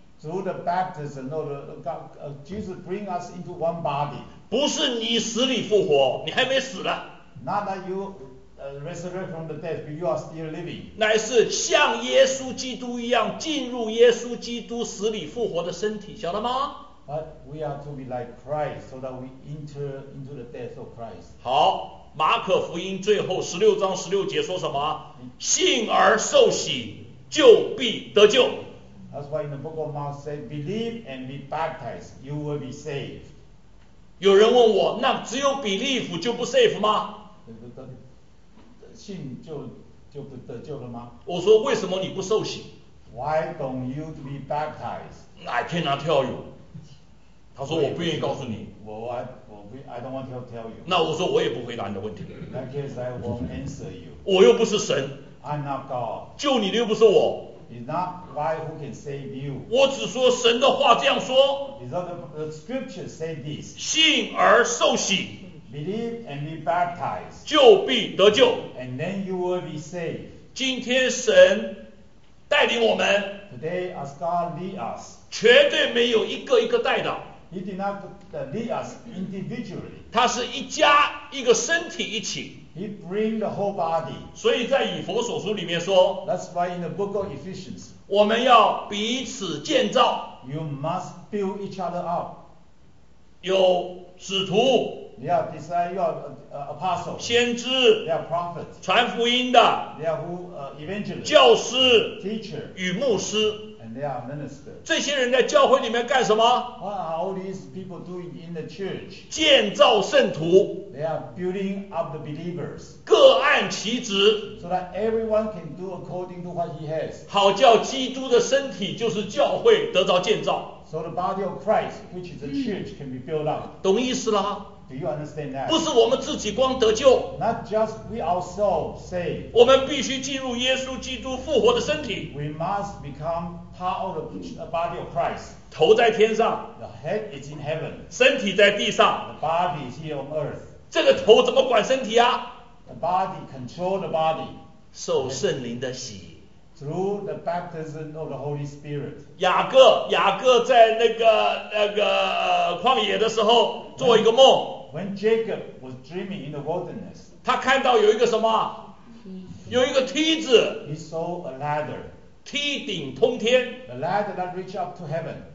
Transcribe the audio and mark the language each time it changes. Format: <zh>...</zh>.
<en>Through the baptism, no, Jesus bring us into one body.</en> <zh>不是你死里复活，你还没死呢。</zh> <en>Not that you resurrect from the dead, but you are still living.</en> <zh>乃是像耶稣基督一样进入耶稣基督死里复活的身体，晓得吗？</zh> <en>But we are to be like Christ, so that we enter into the death of Christ.</en> <zh>好，马可福音最后十六章十六节说什么？信而受洗，就必得救。</zh> <en>That's why in the book of Mark said, "Believe and be baptized, you will be saved."</en> <zh>有人问我，那只有 believe 就不 safe 吗？信就不得救了吗？我说为什么你不受洗</zh> <en>？Why don't you be baptized? I cannot tell you.</en> <zh>他说我不愿意告诉你。</zh> <en>I don't want to tell you.</en> <zh>那我说我也不回答你的问题。</zh> <en>That case I won't answer you.</en> <zh>我又不是神。</zh> <en>I'm not God.</en> <zh>救你的又不是我。</zh> <en>It's not why who can save you.</en> <zh>我只说神的话这样说。</zh> <en>It's not the scripture say this.</en> <zh>信而受洗。</zh> <en>Believe and be baptized,</en> <zh>就必得救。</zh> <en>And then you will be saved.</en> <zh>今天神带领我们。</zh> <en>Today as God lead us,</en> <zh>绝对没有一个一个带的。</zh> <en>He did not lead us individually.</en> <zh>他是一家一个身体一起。</zh> <en>He bring the whole body.</en> <zh>所以在以弗所书里面说。</zh> <en>That's why in the book of Ephesians,</en> <zh>我们要彼此建造。</zh> <en>You must build each other up.</en> <zh>有使徒。</zh> <en>They are disciples, you are apostles.</en> <zh>先知。</zh> <en>They are prophets.</en> <zh>传福音的。</zh> <en>They are evangelists.</en> <zh>教师。</zh> <en>Teacher.</en> <zh>与牧师。</zh> <en>And they are ministers.</en> <zh>这些人在教会里面干什么？</zh> <en>What are all these people doing in the church?</en> <zh>建造圣徒。</zh> <en>They are building up the believers.</en> <zh>各按其职。</zh> <en>So that everyone can do according to what he has.</en> <zh>好叫基督的身体就是教会得到建造。</zh> <en>So the body of Christ, which is the church, can be built up.</en> <zh>懂意思了？</zh> <en>Do you understand that?</en> <zh>不是我们自己光得救。</zh> <en>Not just we ourselves saved.</en> <zh>我们必须进入耶稣基督复活的身体。</zh> <en>We must become part of the body of Christ.</en> <zh>头在天上。</zh> <en>The head is in heaven.</en> <zh>身体在地上。</zh> <en>The body is here on earth.</en> <zh>这个头怎么管身体啊？</zh> <en>The body control the body.</en> <zh>受圣灵的洗。</zh> <en>Through the baptism of the Holy Spirit.</en> <zh>雅各在那个旷野的时候做一个梦。</zh> <en>When Jacob was dreaming in the wilderness,</en> <zh>他看到有一个什么？有一个梯子。</zh> <en>He saw a ladder.</en> <zh>梯顶通天。</zh> <en>A ladder that reached up to heaven.</en>